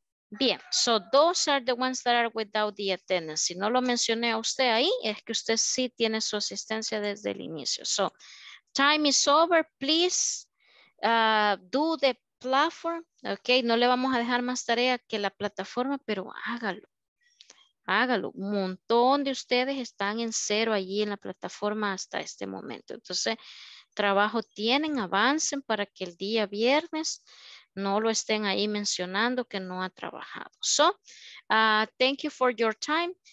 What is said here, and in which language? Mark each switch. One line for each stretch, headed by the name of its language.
Spanish: Bien,
English: so those are the ones that are without the attendance.
Spanish: Si no lo mencioné a usted ahí, es que usted sí tiene su asistencia desde el inicio.
English: So, time is over, please do the platform.
Spanish: Ok, no le vamos a dejar más tarea que la plataforma, pero hágalo. Hágalo. Un montón de ustedes están en cero allí en la plataforma hasta este momento. Entonces, trabajo tienen, avancen para que el día viernes no lo estén ahí mencionando que no ha trabajado.
English: So, thank you for your time.